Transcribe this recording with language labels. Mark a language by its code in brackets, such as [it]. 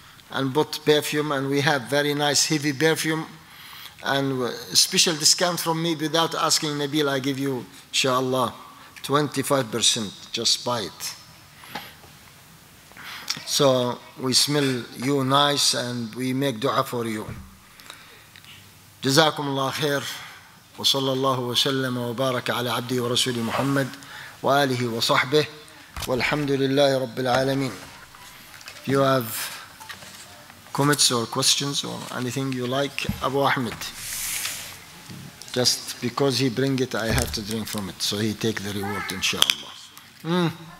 [en] And put perfume, and we have very nice heavy perfume. And special discount from me without asking Nabil, I give you, inshallah, 25%, just buy it. So we smell you nice and we make dua for you. [ar] جزاكم الله خير وصلى الله وسلم وبارك على عبده ورسوله محمد وآله وصحبه والحمد لله رب العالمين. [en] If you have comments or questions or anything you like, Abu Ahmed, just because he bring it, I have to drink from it, so he take the reward, inshallah.